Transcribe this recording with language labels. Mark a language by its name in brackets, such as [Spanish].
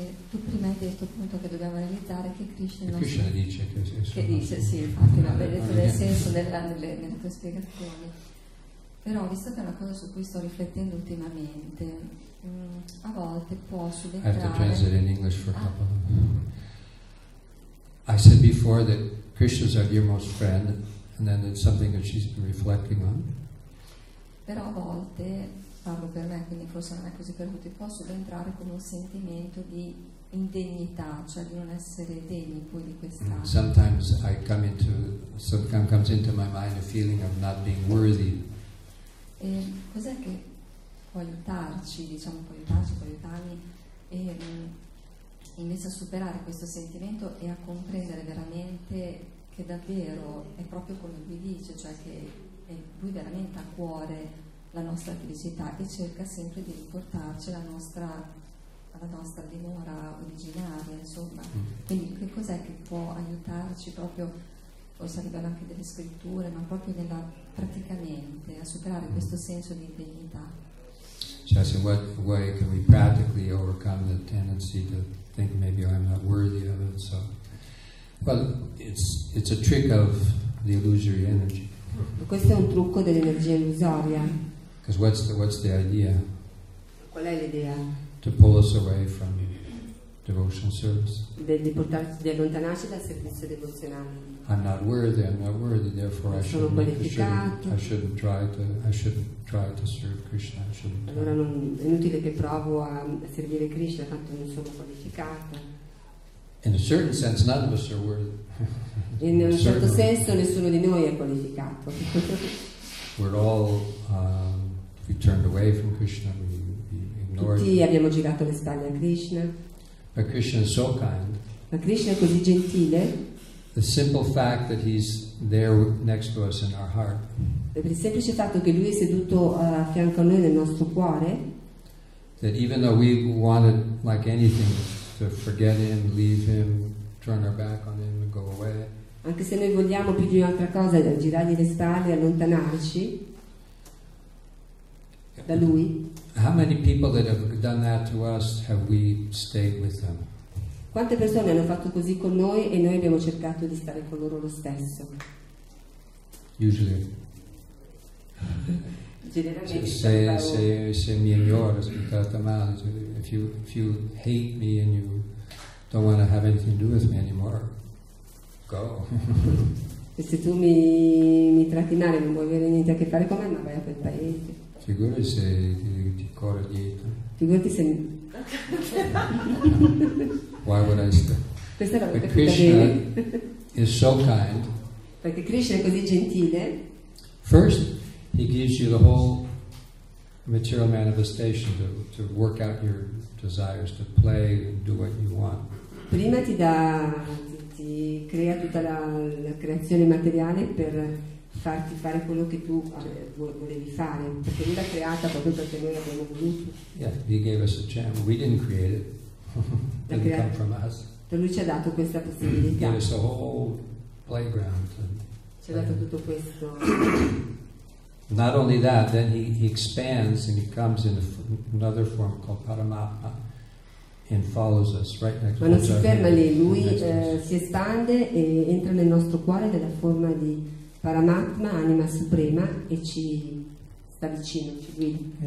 [Italian] Tu prima hai detto appunto che dobbiamo realizzare che Krishna non Krishna si... dice che dice sì, infatti va bene detto nel senso nelle tue spiegazioni. Però visto che è una cosa su cui sto riflettendo ultimamente, a volte può subentrare. [English] I have to translate in English for a couple of them. I said before that Krishna's our dearmost friend, and then it's something that she's been reflecting on. [Italian] Però a volte parlo per me, quindi forse non è così per tutti, posso entrare con un sentimento di indegnità, cioè di non essere degni poi di questa. [English] Sometimes I come into sometimes comes into my mind a feeling of not being worthy. [Italian] E cos'è che può aiutarci, diciamo, può aiutarmi e invece a superare questo sentimento e a comprendere veramente che davvero è proprio come lui dice, cioè che lui veramente ha a cuore la nostra felicità e cerca sempre di riportarci alla nostra dimora originaria, insomma. Quindi che cos'è che può aiutarci proprio, forse a livello anche delle scritture, ma proprio nella praticamente a superare questo senso di indegnità? [English] Cioè, in what way can we practically overcome the tendency to think maybe I'm not worthy of it? So, well, it's a trick of the illusory energy. [Italian] Questo è un trucco dell'energia illusoria. [English] Because what's the idea? [Italian] Qual è l'idea? [English] To pull us away from devotional service. [Italian] Di allontanarci dal servizio devozionale. [English] I'm not worthy, therefore [Italian] non [English] I shouldn't. [Italian] Sono qualificato. [English] I shouldn't try to serve Krishna. I shouldn't. [Italian] Allora non è inutile che provo a servire Krishna, tanto non sono qualificato. [English] In a certain sense, none of us are worthy. [Italian] In un certo senso, nessuno di noi è qualificato. [English] We're all we turned away from Krishna, we ignored. [Italian] Tutti abbiamo girato le spalle a Krishna. [English] But Krishna is so kind. [Italian] Ma Krishna è così gentile. [English] The simple fact that he's there next to us in our heart. [Italian] Per il semplice fatto che lui è seduto a fianco a noi nel nostro cuore. [English] That even though we wanted like anything to forget him, leave him, turn our back on him and go away. [Italian] Anche se noi vogliamo più di un'altra cosa, girargli le spalle, allontanarci da lui. [English] How many people that have done that to us have we stayed with them? [Italian] Quante persone hanno fatto così con noi e noi abbiamo cercato di stare con loro lo stesso? [English] Usually. [Italian] Se mi ignora, se mi tratta male, [English] if you hate me and you don't want to have anything to do with me anymore, go. [Italian] Se tu mi tratti male, non vuoi avere niente a che fare con me, ma vai a quel paese. Figurati se ti corre dietro. Figurati se. [English] Why would I stay? [Italian] Questa è la [English] perché Krishna is so kind. [Italian] Perché Krishna è così gentile. [English] First, he gives you the whole material manifestation to work out your desires, to play and do what you want. [Italian] Prima ti dà, ti crea tutta la creazione materiale per farti fare quello che tu volevi fare, perché lui l'ha creata proprio perché noi l'abbiamo voluto. [English] Yeah, he gave us a chance. We didn't create it. Didn't come from us. [Italian] Per lui ci ha dato questa possibilità. [English] He gave us a whole playground. [Italian] Ci ha dato tutto questo. [English] Not only that, then he expands and he comes in another form called Paramatma and follows us right next to us. [Italian] Ma non si ferma lì, lui si espande e entra nel nostro cuore nella forma di Paramatma, anima suprema, e ci sta vicino, ci guida.